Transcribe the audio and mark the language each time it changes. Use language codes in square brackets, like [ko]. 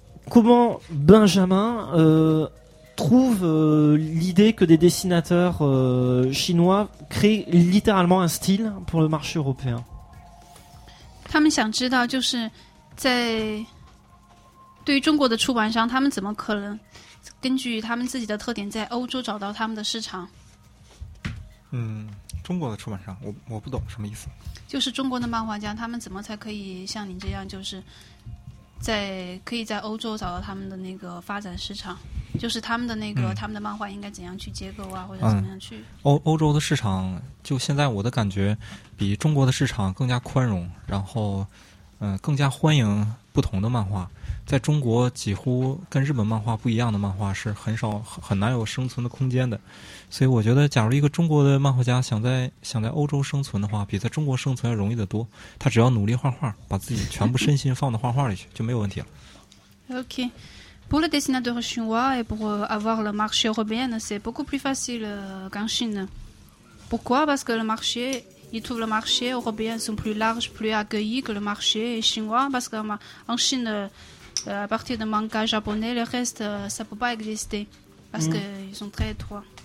[fr] Comment Benjamin trouve l'idée que des dessinateurs chinois créent littéralement un style pour le marché européen ? Ils veulent savoir, c'est que dans les éditeurs chinois, comment peuvent-ils créer [zh] 根据他们自己的特点在欧洲找到他们的市场。嗯，中国的出版商，我不懂什么意思。就是中国的漫画家，他们怎么才可以像您这样，就是在可以在欧洲找到他们的那个发展市场？就是他们的那个他们的漫画应该怎样去结构啊，或者怎么样去？欧洲的市场，就现在我的感觉，比中国的市场更加宽容，然后更加欢迎不同的漫画。在中国几乎跟日本漫画不一样的漫画是很难有生存的空间的，所以我觉得假如一个中国的漫画家想在欧洲生存的话，比在中国生存要容易得多。他只要努力画画，把自己全部身心放到画画里去就没有问题了。 [fr] OK, pour le dessinateur chinois et pour avoir le marché européen c'est beaucoup plus facile qu'en Chine. Pourquoi? Parce que il trouve le marché européen sont plus large, plus accueillis que le marché chinois, parce qu'en Chine à partir de manga japonais, le reste, ça ne peut pas exister parce qu'ils sont très étroits.